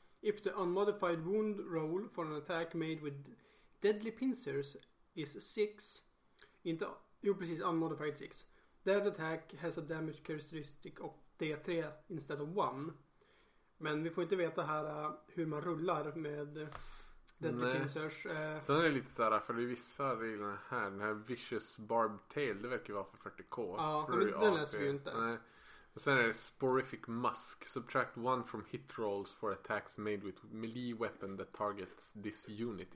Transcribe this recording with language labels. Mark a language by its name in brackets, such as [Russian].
[English] If the unmodified wound roll for an attack made with deadly pincers is 6. [Swedish] Inte, jo precis, [English] unmodified 6. That attack has a damage characteristic of D3 instead of 1. [Swedish] Men vi får inte veta här hur man rullar med deadly pincers. Sen är det lite så här, för det är vissa regler här. Den här vicious barbed tail, det verkar ju vara för 40k. Ja, men den läser vi ju inte. Nej. Och sen är det Sporific Musk. [English] Subtract one from hit rolls for attacks made with melee weapon that targets this unit.